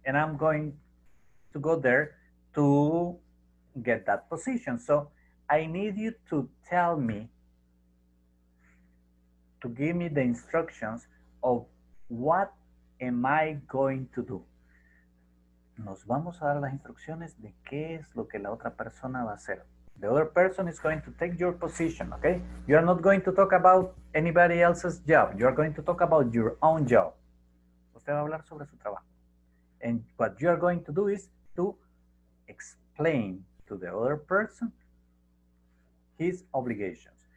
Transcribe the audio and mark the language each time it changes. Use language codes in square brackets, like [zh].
[en] And I'm going to go there to get that position. So I need you to tell me, to give me the instructions of what am I going to do. [es] Nos vamos a dar las instrucciones de qué es lo que la otra persona va a hacer. [en] The other person is going to take your position, okay? You are not going to talk about anybody else's job. You are going to talk about your own job. [es] Usted va a hablar sobre su trabajo. [en] And what you are going to do is to explain to the other person his obligations.